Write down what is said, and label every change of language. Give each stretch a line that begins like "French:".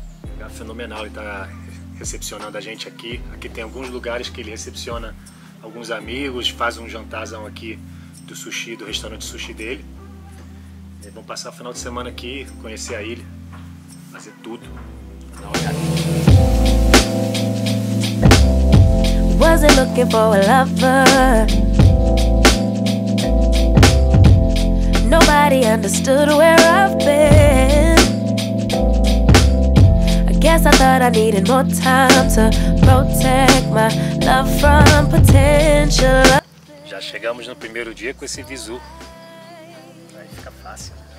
Portuguese: Lugar fenomenal, ele está recepcionando a gente aqui. Aqui tem alguns lugares que ele recepciona alguns amigos, faz um jantarzão aqui do sushi, do restaurante sushi dele. E vamos passar o final de semana aqui, conhecer a ilha, fazer tudo. Dá uma olhada.
English: Was it looking for a lover? Nobody understood where I've been. I guess I thought I needed more time to protect my love from potential.
Portuguese: Já chegamos no primeiro dia com esse visu. Vai ficar fácil.